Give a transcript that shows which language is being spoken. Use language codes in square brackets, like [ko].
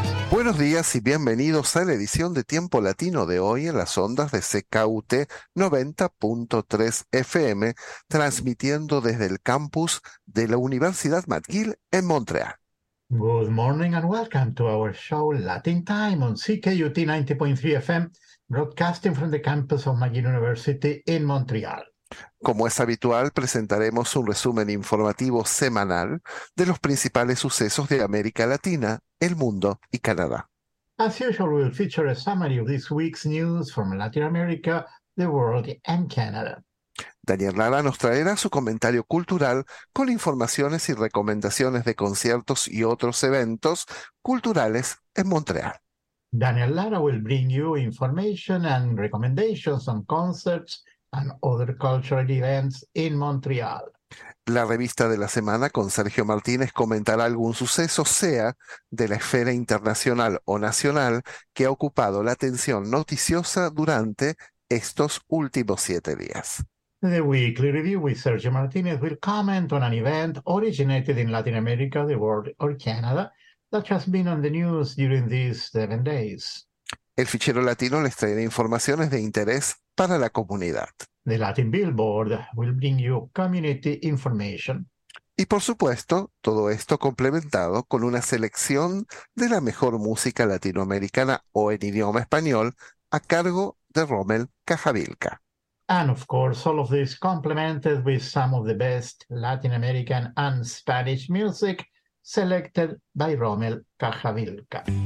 [es] Buenos días y bienvenidos a la edición de Tiempo Latino de hoy en las ondas de CKUT 90.3 FM, transmitiendo desde el campus de la Universidad McGill en Montreal. [en] Good morning and welcome to our show Latin Time on CKUT 90.3 FM, broadcasting from the campus of McGill University in Montreal. [es] Como es habitual, presentaremos un resumen informativo semanal de los principales sucesos de América Latina, el mundo y Canadá. [en] As usual, we'll feature a summary of this week's news from Latin America, the world, and Canada. [es] Daniel Lara nos traerá su comentario cultural con informaciones y recomendaciones de conciertos y otros eventos culturales en Montreal. [en] Daniel Lara will bring you information and recommendations on concerts and other cultural events in Montreal. [es] La revista de la semana con Sergio Martínez comentará algún suceso, sea de la esfera internacional o nacional, que ha ocupado la atención noticiosa durante estos últimos 7 días. [en] The weekly review with Sergio Martínez will comment on an event originated in Latin America, the world, or Canada that has been on the news during these 7 days. [es] El fichero latino les traerá informaciones de interés para la comunidad. [en] The Latin Billboard will bring you community information. [es] Y por supuesto, todo esto complementado con una selección de la mejor música latinoamericana o en idioma español a cargo de Rommel Cajavilca. [en] And of course, all of this complemented with some of the best Latin American and Spanish music selected by Rommel Cajavilca.